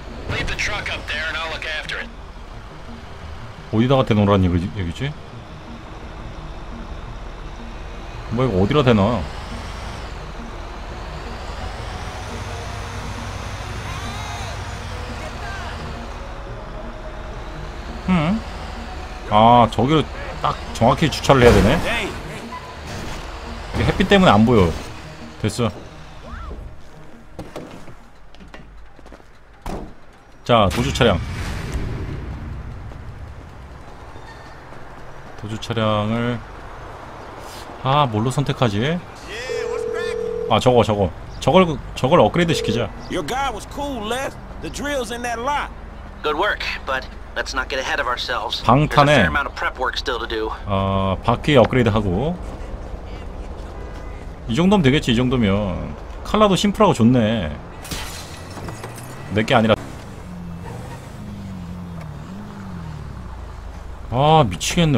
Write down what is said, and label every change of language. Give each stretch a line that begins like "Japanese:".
English: Leave the truck up there, and I'll look after it.
Korean: 어디다가 대놓으라니 여기지? 뭐 이거 어디로 대놔? 아 저기로 딱 정확히 주차를 해야 되네. 이게 햇빛 때문에 안 보여. 됐어. 자, 도주 차량. 도주 차량을 아, 뭘로 선택하지? 아, 저거 저거. 저걸 업그레이드 시키자.
English: Your guy was cool, Les. The drill's in that lot. Good work, but let's not get ahead of ourselves.
Korean: 방탄에 어, 바퀴 업그레이드 하고. 이 정도면 되겠지, 이 정도면. 칼라도 심플하고 좋네. 내 게 아니라 아 미치겠네.